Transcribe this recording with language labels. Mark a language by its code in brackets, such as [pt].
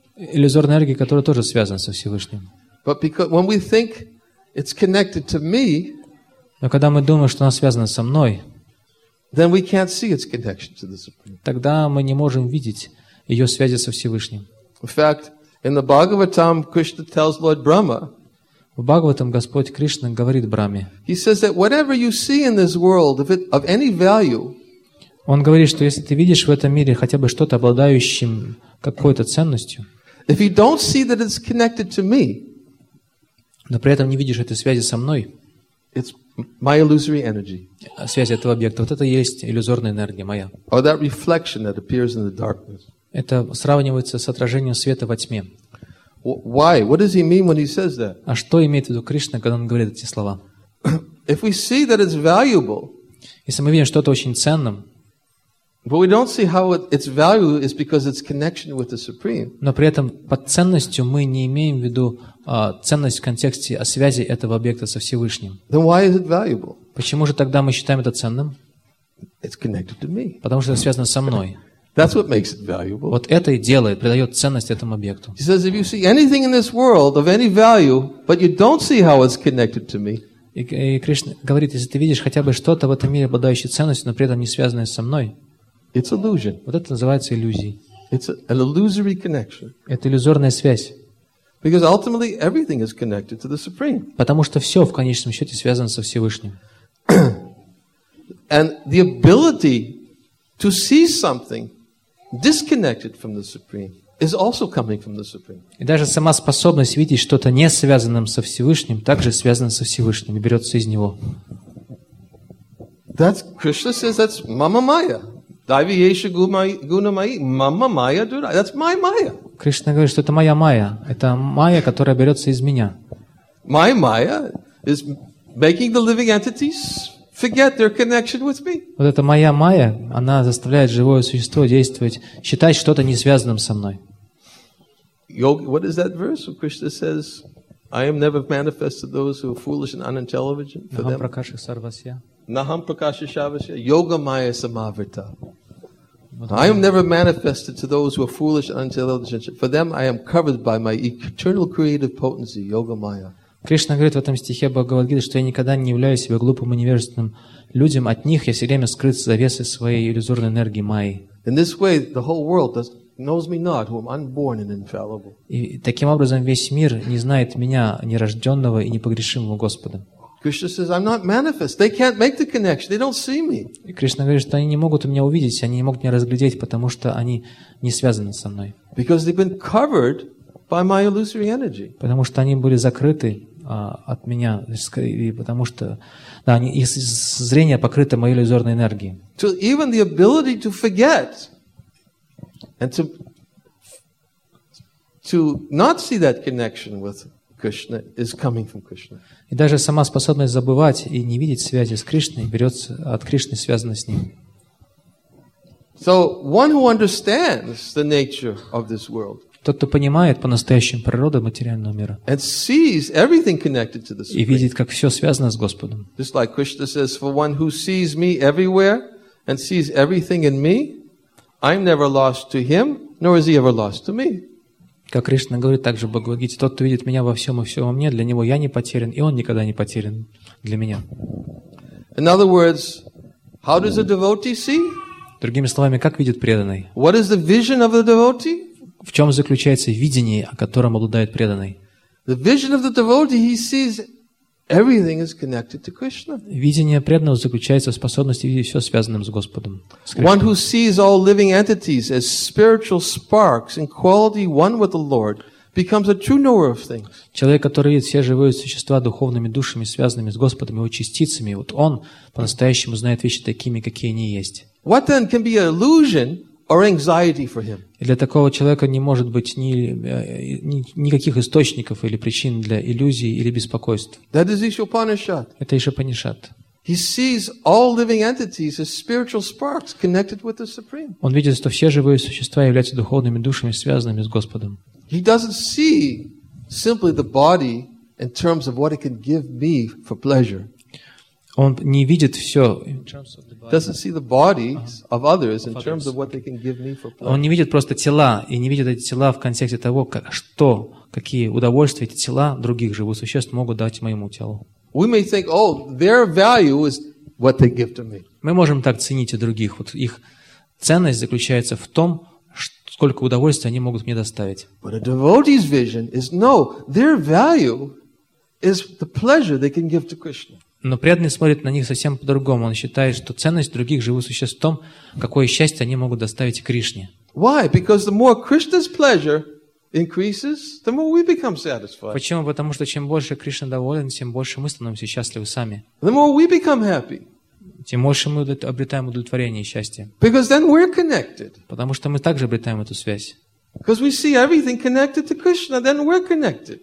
[ru] Иллюзорная энергия, которая тоже связана со Всевышним. [en] But because, when we think it's connected to me, [ru] но когда мы думаем, что она связана со мной, [en] then we can't see its connection to the Supreme. [ru] Тогда мы не можем видеть ее связи со Всевышним. [en] In fact, in the Bhagavatam, Krishna tells Lord Brahma, [ru] в Бхагаватам Господь Кришна говорит Брахме, [en] he says that whatever you see in this world, if it of any value, [ru] он говорит, что если ты видишь в этом мире хотя бы что-то обладающим какой-то ценностью, [en] if you don't see that it's connected to me, [ru] но при этом не видишь этой связи со мной, [en] it's my illusory energy. [ru] Связь этого объекта. Вот это есть иллюзорная энергия моя. [en] Or that reflection that appears in the darkness. [ru] Это сравнивается с отражением света во тьме. [en] Why? What does he mean when he says that? [ru] А что имеет в виду Кришна, когда он говорит эти слова? [en] If we see that it's valuable, [ru] если мы видим что-то очень ценным, [en] but we don't see how its value is because its connection with the Supreme. [ru] Но при этом под ценностью мы не имеем в виду ценность в контексте о связи этого объекта со Всевышним. [en] Then why is it valuable? [ru] Почему же тогда мы считаем это ценным? [en] It's connected to me. [ru] Потому что это связано со мной. [en] That's what makes it valuable. [ru] Вот это и делает, придает ценность этому объекту. [en] He says, if you see anything in this world of any value, but you don't see how it's connected to me. [ru] И Кришна говорит, если ты видишь хотя бы что-то в этом мире обладающее ценностью, но при этом не связанное со мной. [en] It's illusion. [ru] Вот это называется иллюзией. [en] It's an illusory connection. [ru] Это иллюзорная связь. [en] Because ultimately everything is connected to the Supreme. [ru] Потому что все в конечном счете связано со Всевышним. [en] And the ability to see something disconnected from the Supreme is also coming from the Supreme. [ru] И даже сама способность видеть что-то не связанным со Всевышним также связана со Всевышним и берется из него. [en] That's Krishna says that's [sa] mama maya. Divyesha guna mayi, mama maya dura. [en] That's my maya. [ru] Кришна говорит, что это моя майя. Это майя, которая берется из меня. [en] My maya is making the living entities forget their connection with me. [ru] Вот это моя майя, она заставляет живое существо действовать, считать что-то не связанным со мной. [en] Yogi, what is that verse where Krishna says, I am never manifested to those who are foolish and unintelligent? [sa] Naham prakasha sarvasya. Naham prakasha shavasya. Yoga maya samavrita. [en] I am never manifested to those who are foolish and unintelligent. For them I am covered by my eternal creative potency, yoga maya. [ru] Кришна говорит в этом стихе Бхагавад-гиты, что я никогда не являюсь себе глупым и невежественным людям. От них я все время скрыт за завесой своей иллюзорной энергии майи. [en] In this way, the whole world knows me not, who am unborn and infallible. [ru] И таким образом весь мир не знает меня, нерожденного и непогрешимого Господа. [en] Krishna says, I'm not manifest. They can't make the connection. They don't see me. [ru] И Кришна говорит, что они не могут меня увидеть, они не могут меня разглядеть, потому что они не связаны со мной. [en] Because they've been covered by my illusory energy. [ru] Потому что они были закрыты от меня, и потому что да, они, их зрение покрыто моей иллюзорной энергией. [en] So even the ability to forget and to not see that connection with Krishna is coming from Krishna. [ru] И даже сама способность забывать и не видеть связи с Кришной берется от Кришны, связанной с Ним. [en] So one who understands the nature of this world. [ru] Тот, кто понимает по-настоящему природу материального мира. [en] And sees everything connected to the Supreme. [ru] И видит, как все связано с Господом. [en] Just like Krishna says, for one who sees me everywhere and sees everything in me, I'm never lost to him, nor is he ever lost to me. [ru] Как Кришна говорит, так же Бхагавад-гите, тот, кто видит меня во всем и все во мне, для него я не потерян, и он никогда не потерян для меня. [en] In other words, how does a devotee see? [ru] Другими словами, как видит преданный? [en] What is the vision of the devotee? [ru] В чем заключается видение, о котором обладает преданный? [en] The vision of the devotee, he sees everything is connected to Krishna. [ru] Видение преданного заключается в способности видеть все связанным с Господом. [en] One who sees all living entities as spiritual sparks in quality one with the Lord becomes a true knower of things. [ru] Человек, который видит все живые существа духовными душами, связанными с Господом, его частицами, вот он по-настоящему знает вещи такими, какие они есть. [en] What then can be an illusion or anxiety for him? [ru] Для такого человека не может быть никаких источников или причин для иллюзий или беспокойств. [en] That is Ишопанишат. [ru] Это Ишопанишат. [en] He sees all living entities as spiritual sparks connected with the Supreme. [ru] Он видит, что все живые существа являются духовными душами, связанными с Господом. [en] He doesn't see simply the body in terms of what it can give me for pleasure. [ru] Он не видит все. [en] Doesn't see the bodies of others in terms of what they can give me for pleasure. [ru] Он не видит просто тела и не видит эти тела в контексте того, какие удовольствия эти тела других живых существ могут дать моему телу. [en] We may think, oh, their value is what they give to me. [ru] Мы можем так ценить и других. Вот их ценность заключается в том, сколько удовольствия они могут мне доставить. [en] But a devotee's vision is no. Their value is the pleasure they can give to Krishna. [ru] Но преданный смотрит на них совсем по-другому. Он считает, что ценность других живых существ в том, какое счастье они могут доставить Кришне. [en] Why? Because the more Krishna's pleasure increases, the more we become satisfied. [ru] Почему? Потому что чем больше Кришна доволен, тем больше мы становимся счастливы сами. [en] The more we become happy. [ru] Тем больше мы обретаем удовлетворение и счастье. [en] Because then we're connected. [ru] Потому что мы также обретаем эту связь. [en] Because we see everything connected to Krishna, then we're connected.